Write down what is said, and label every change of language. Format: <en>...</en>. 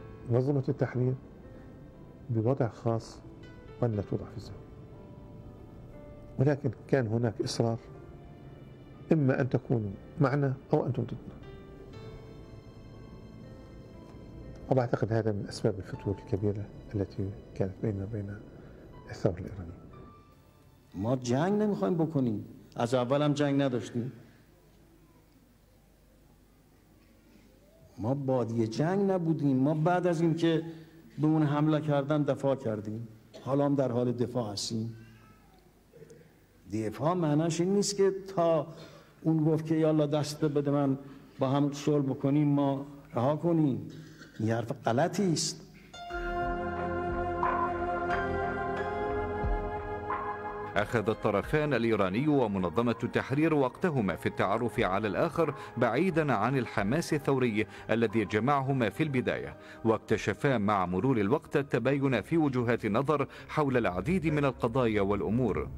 <ar>نظمت التحرير بوضع خاص ولا توضع في الزاوية، ولكن كان هناك إصرار إما أن تكونوا معنا أو أنتم ضدنا، وأعتقد هذا من أسباب الفتور الكبيرة التي كانت بيننا وبين الثورة الإيرانية.</ar> <fa>ما جنگ نمیخوایم بکنیم، از اول هم جنگ نداشتیم، ما بادی جنگ نبودیم، ما بعد از اینکه به اون حمله کردن دفاع کردیم، حالا هم در حال دفاع هستیم. دفاع معناش این نیست که تا اون گفت که یالا دست بده من با هم صلح بکنیم ما رها کنیم، این حرف غلطی است.</fa> <ar>أخذ الطرفان الإيراني ومنظمة التحرير وقتهما في التعرف على الآخر بعيدا عن الحماس الثوري الذي جمعهما في البداية، واكتشفا مع مرور الوقت التباين في وجهات النظر حول العديد من القضايا والأمور.</ar>